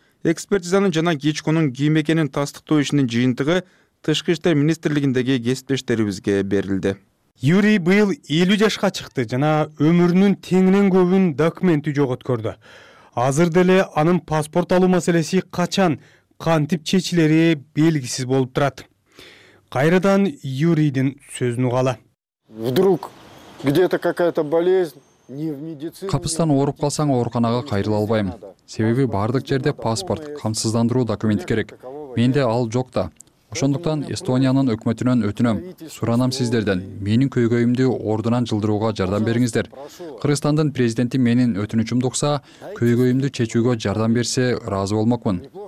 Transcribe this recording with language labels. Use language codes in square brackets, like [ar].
[ky] Экспертизанын жана Гичконун ким экенин тастыктоо ишинин жыйынтыгы тышкы иштер министрлигиндеги кесиптештерибизге берилди. Юрий быйыл 50 жашка чыкты жана өмүрүнүн теңинен көбүн документи жок өткөрдү. Азыр деле анын паспорт алуу маселеси качан, кантип чечилери белгисиз болуп турат. Кайрадан Юрийдин сөзүн угалы. [ru] Вдруг где-то какая-то болезнь. [ky] Капыстан ооруп калсаң ооруканага кайрыла албайм. Себеби бардык жерде паспорт, камсыздандыруу документи керек. Менде ал жок да. Ошондуктан Эстониянын өкмөтүнөн өтүнөм, суранам сиздерден, менин көйгөйүмдү ордунан жылдырууга жардам бериңиздер. Кыргызстандын президенти менин өтүнүчүмдү укса, көйгөйүмдү чечүүгө жардам берсе ыраазы болмокмун.